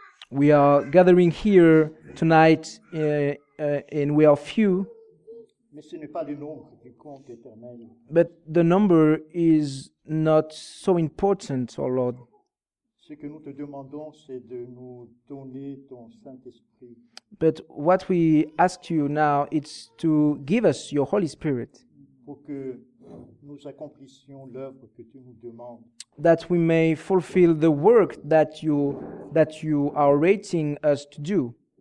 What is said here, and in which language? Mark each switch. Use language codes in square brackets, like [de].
[en] We are gathering here tonight, and we are few. [fr] Mais ce n'est pas le nombre qui compte éternel. [en] But the number is not so important, oh Lord. [fr] Ce que nous te demandons, c'est de nous donner ton Saint-Esprit. [en] But what we ask you now is to give us your Holy Spirit. [fr] Pour que nous accomplissions l'œuvre que tu nous demandes. [en] That we may fulfill the work that you are rating us to do.